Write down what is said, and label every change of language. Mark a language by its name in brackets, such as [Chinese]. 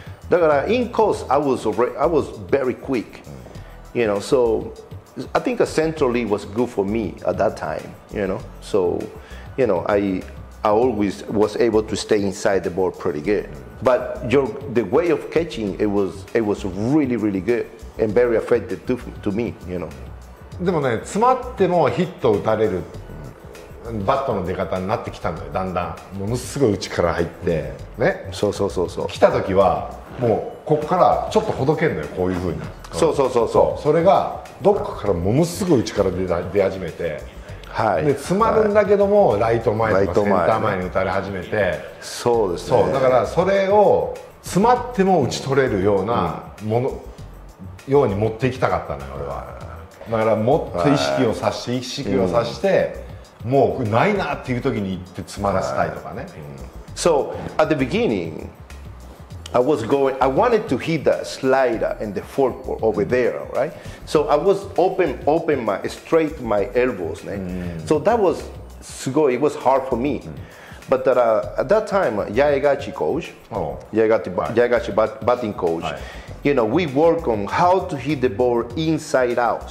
[Japanese] だから、 [English] in course, I was very quick, you know, so I think a central league was good for me at that time, you know, so, you know, I always was able to stay inside the ball pretty good. But the way of catching, it was really, really good. And very affected to me, you know. [Japanese] でもね、詰まってもヒットを打たれるバットの出方になってきたんだよ、だんだん。ものすごい内から入って、ね。そうそうそうそう。来た時は、もうここからちょっとほどけるのよ、こういうふうに。そうそうそうそう。それが、どっかからものすごい内から出始めて、はい、で詰まるんだけども、はい、ライト前とかセンター前に打たれ始めて。そうですね。そう、だからそれを詰まっても打ち取れるようなもの、うんうん、ように持っていきたかったのよ、俺は。だからもっと意識をさして、もうないなっていう時に行って詰まらせたいとかね。 [English] So at the beginning, I wanted to hit the slider and the forkball over there, right? So I was open my straight my elbows, ね。 So that was [Japanese] すごい、 [English] it was hard for me. But that, at that time, Yaegachi coach,、Yaegachi batting coach,、you know, we work on how to hit the ball inside out.